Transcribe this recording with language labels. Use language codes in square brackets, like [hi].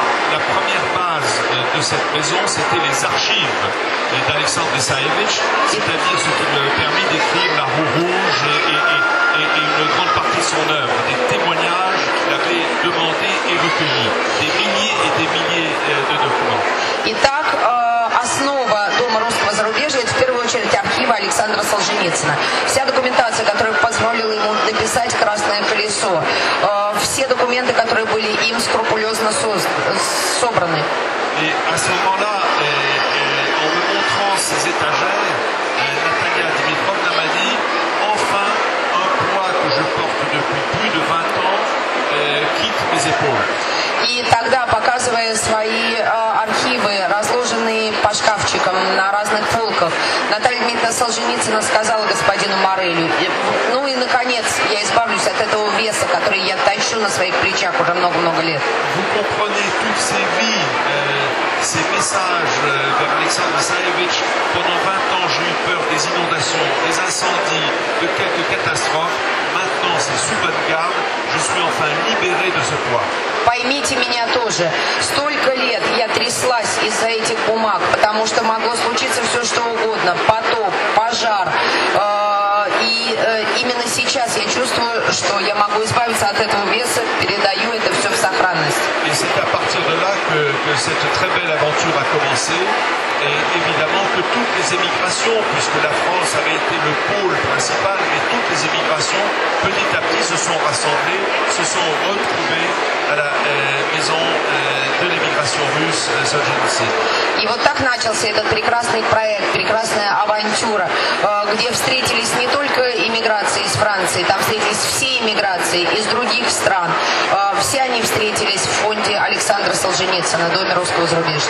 [fr] maison, c'était les archives d'Alexandre Isaïevitch, c'est-à-dire ce qui lui avait permis d'écrire La Roue Rouge et une grande partie de son œuvre, des témoignages qu'il avait demandé et recueilli, des milliers et des milliers de documents. [ru] Итак, основа Дома русского зарубежья – это, в первую очередь, архивы Александра Солженицына. Вся документация, которая позволила ему написать «Красное колесо», все документы, которые были им скрупулезно собраны. И в этот момент, в показании этих этажей, Наталья Дмитриевна мне сказала, [fr] «Enfin, un poids, que je porte depuis plus de 20 ans, quitte mes épaules». [ru] И тогда, показывая свои архивы, разложенные по шкафчикам на разных полках, Наталья Дмитриевна Солженицына сказала господину Морелю: «Ну и, наконец, я избавлюсь от этого веса, который я тащу на своих плечах уже много-много лет». Вы понимаете всю эту жизнь, эти сообщения к Александру Исаевичу? [fr] Pendant 20 ans, j'ai eu peur des inondations, des incendies, de quelques catastrophes. Maintenant, c'est sous votre garde. Je suis enfin libéré de ce poids». [ru] Поймите меня тоже. Столько лет я тряслась из-за этих бумаг, потому что могло случиться все что угодно. Потоп, пожар. Именно сейчас я чувствую, что я могу избавиться от этого веса, передаю это все в сохранность. И [fr] c'est à partir de là que cette très belle aventure a commencé. Et évidemment que toutes les émigrations, puisque la France avait été le pôle principal, mais toutes les émigrations, petit à petit, se sont rassemblées, se sont retrouvées à la maison de l'émigration russe, Solzhenitsyn. [ru] И вот так начался этот прекрасный проект, прекрасная авантюра, где встретились не только эмиграции из Франции, там встретились все эмиграции из других стран. Все они встретились в фонде Александра Солженицына, Доме русского зарубежья.